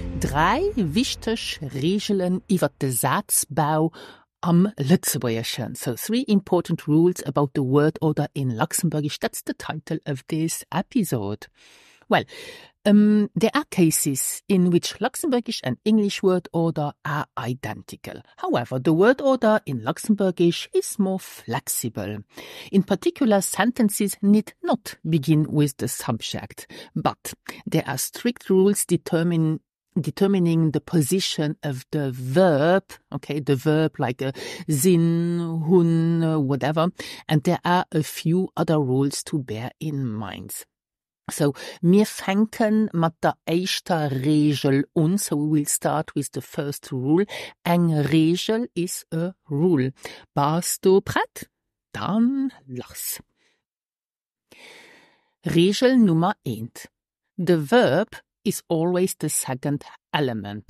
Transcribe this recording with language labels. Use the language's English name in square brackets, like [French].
[German] Drei wichtige Regeln über den Satzbau am Luxembourgischen. [English] So three important rules about the word order in Luxembourgish. That's the title of this episode. Well, there are cases in which Luxembourgish and English word order are identical. However, the word order in Luxembourgish is more flexible. In particular, sentences need not begin with the subject, but there are strict rules determining the position of the verb, okay, the verb like sin, hun, whatever, and there are a few other rules to bear in mind. [German] So, wir fangen mit der ersten Regel an. [English] So, we will start with the first rule. [German] Eine Regel [English] is a rule. [German] Bist du bereit? Dann los. Regel Nummer 1. [English] The verb is always the second element.